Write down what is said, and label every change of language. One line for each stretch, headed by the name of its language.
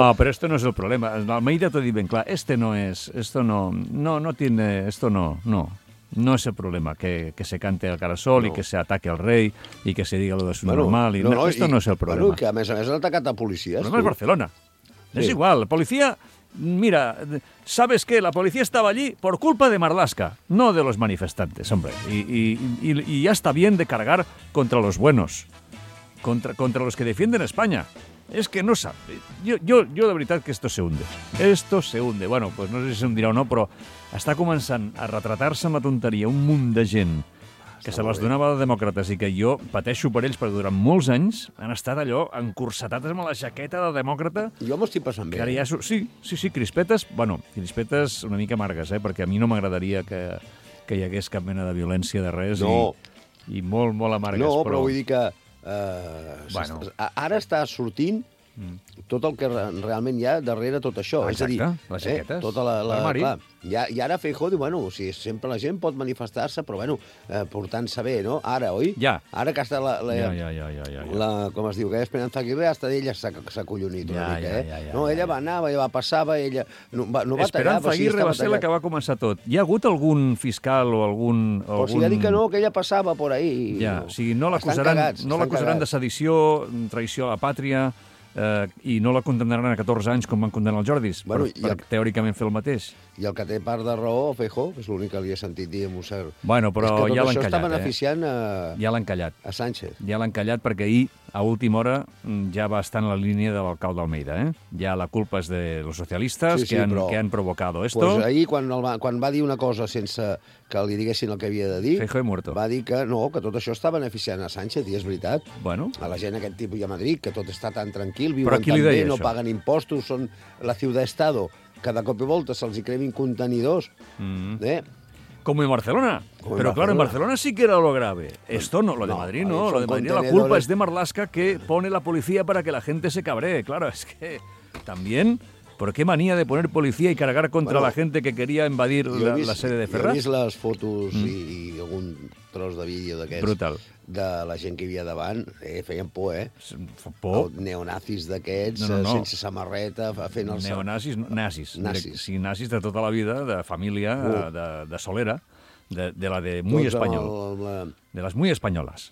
Catalan: No, però esto no és el problema. Almeida t'ho dic ben clar. Este no és... Esto no...
Spanish: No, no tiene...
Catalan: Esto no... No. No és el problema
Spanish: que se cante el carasol no. I que se ataque al rei i que se diga lo de su bueno, normal. No,
Catalan: esto no és el problema. Bueno, que a més han atacat a policies. El problema és Barcelona. Sí. És igual.
Spanish: La policia, mira, ¿sabes qué?
Catalan: La policia estava allí
Spanish: por culpa de Marlaska, no de los manifestantes, hombre. Y ya está bien de cargar contra los buenos, contra los que defienden España. Es que no sabe. Yo
Catalan: de veritat
Spanish: que esto se hunde. Esto se hunde.
Catalan: Bueno, pues no sé si se hundirà o no, però... Està començant a retratar-se amb la tonteria un munt de gent que se les donava de demòcrates i que jo pateixo per ells, perquè durant molts anys han estat allò encorsetats amb la jaqueta de demòcrata. Jo m'ho estic passant bé. Que ara ja... Sí, sí, sí, crispetes, bueno, crispetes una mica amargues, perquè a mi no m'agradaria que hi hagués cap mena de violència de res. No. I molt, molt amargues. No, però vull dir que... Bueno. Ara està sortint tot el que realment hi ha darrere tot això. Exacte, és a dir, les jaquetes. Tota la, clar, ja, i ara Feijó diu, bueno, o sigui, sempre la gent pot manifestar-se, però bueno, portant-se bé, no? Ara, oi? Ja. Ara que està la, ja. La, com es diu, que Esperanza Aguirre, hasta d'ella s'ha acollonit una mica. Ja. No, ella va anar, ella va passar, ella no va, no va tallar. Esperanza Aguirre va ser la que va començar tot. Hi ha hagut algun fiscal o algun... O sigui, ja dic que no, que ella passava
Spanish: por ahí.
Catalan: Ja, no. O sigui, no l'acusaran, no l'acusaran de sedició, traïció a la pàtria... i no la condemnaran a 14 anys com van condemnar els Jordis, bueno, per teòricament fer el mateix. I el que té part de raó, Feijó, és l'únic que li he sentit dir a Mussar. Bueno, però és que ja l'han callat. Està beneficiant Ja l'han callat. A Sánchez. Ja l'han callat perquè ahir, a última hora, ja va estar en la línia de l'alcalde d'Almeida. Ja la culpa és de los socialistes, sí, sí,
Spanish: que, que han provocado esto.
Catalan: Pues ahir, quan va dir una cosa sense que li diguessin el que havia de dir...
Spanish: Feijó y muerto.
Catalan: Va dir que no, que tot això està beneficiant a Sánchez, i és veritat. Bueno. A la gent aquest tipus i a Madrid, que tot està tan tranquil, viuen tan bé, no paguen impostos, són la ciudad-estado. Cada cop i volta se'ls cremin contenidors. Mm-hmm. Com en Barcelona. Però, clar, en Barcelona sí que era lo grave.
Spanish: Esto no, lo de Madrid no. Lo de Madrid, la culpa es de Marlaska, que pone la policía para que la gente se cabree. Claro, es que también... ¿Por qué manía de poner policía y cargar contra la gente que quería invadir la sede de Ferraz?
Catalan: Jo he vist les fotos i algun tros de vídeo d'aquests... Brutal. De la gent que hi havia davant, feien por, Por? Els neonazis d'aquests, no. Sense samarreta, fent els... Neonazis, nazis. Nazis. Sí, nazis de tota la vida, de família, de Solera, de la de muy espanyol. De les muy espanyoles.